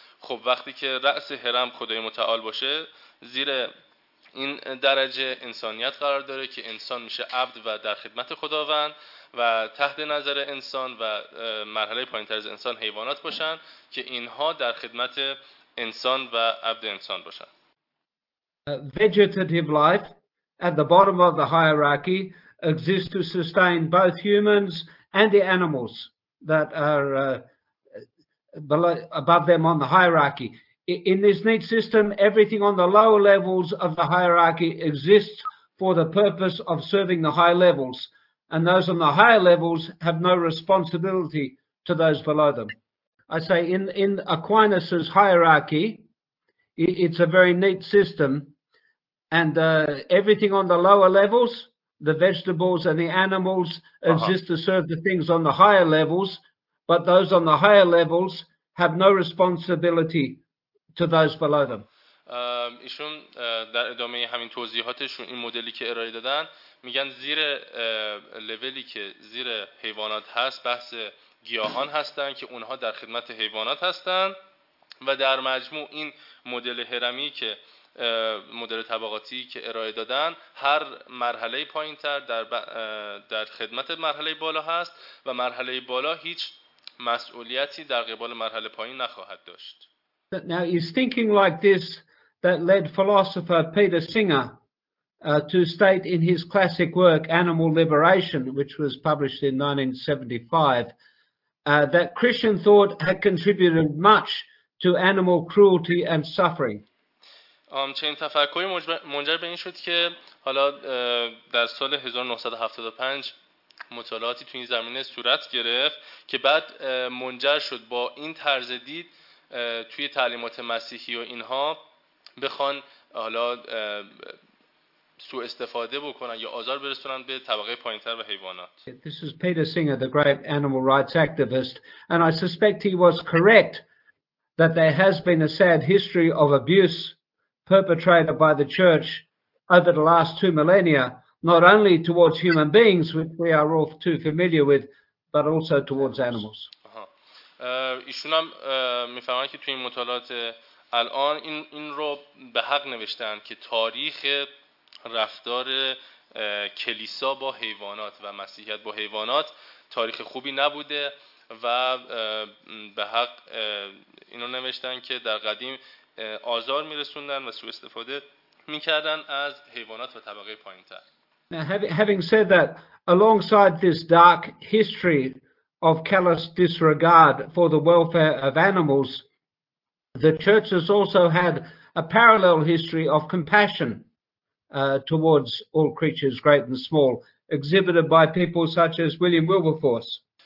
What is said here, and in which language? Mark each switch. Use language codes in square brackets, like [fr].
[fa] خب وقتی که رأس هرم خدای متعال باشه، زیر این درجه انسانیت قرار داره که انسان میشه عبد و در خدمت خداوند، و تحت نظر انسان و مرحله پایین‌تر از انسان حیوانات باشن که اینها در خدمت انسان و عبد انسان باشن. [en] Vegetative life at the bottom of the hierarchy exists to sustain both humans and the animals that are above them on the hierarchy. In this neat system, everything on the lower levels of the hierarchy exists for the purpose of serving the high levels, and those on the higher levels have no responsibility to those below them. I say in Aquinas's hierarchy, it's a very neat system, and everything on the lower levels, the vegetables and the animals, exist to serve the things on the higher levels, but those on the higher levels have no responsibility to those below them. [fa] ایشون در ادامه همین توضیحاتشون این مدلی که ارائه دادن میگن زیر لولی که زیر حیوانات هست بحث گیاهان هستن که اونها در خدمت حیوانات هستن، و در مجموع این مدل هرمی که مدل طبقاتی که ارائه دادن هر مرحله پایین تر در خدمت مرحله بالا هست و مرحله بالا هیچ مسئولیتی در قبال مرحله پایین نخواهد داشت. [en] Now it's thinking like this that led philosopher Peter Singer to state in his classic work Animal Liberation, which was published in 1975, that Christian thought had contributed much to animal cruelty and suffering. [fa] چنین تفکری منجر به این شد که حالا در سال 1975 مطالعاتی تو این زمینه صورت گرفت که بعد منجر شد با این طرز دید توی تعلیمات مسیحی و اینها بخوان حالا سوء استفاده بکنن یا آزار برسونن به طبقه پایین‌تر و حیوانات. [en] This is Peter Singer, the great animal rights activist, and I suspect he was correct that there has been a sad history of abuse perpetrated by the church over the last two millennia, not only towards human beings, which we are all too familiar with, but also towards animals. [fa] ایشون هم میفهمن که توی این مطالعات الان این رو به حق نوشتن که تاریخ رفتار کلیسا با حیوانات و مسیحیت با حیوانات تاریخ خوبی نبوده و به حق اینو نوشتن که در قدیم آزار میرسوندن و سوء استفاده میکردن از حیوانات و طبقه پایین‌تر. [en] Having said that, alongside this dark history of callous disregard for the welfare of animals, the church has also had a parallel history of compassion towards all creatures, great and small, exhibited by people such as William Wilberforce.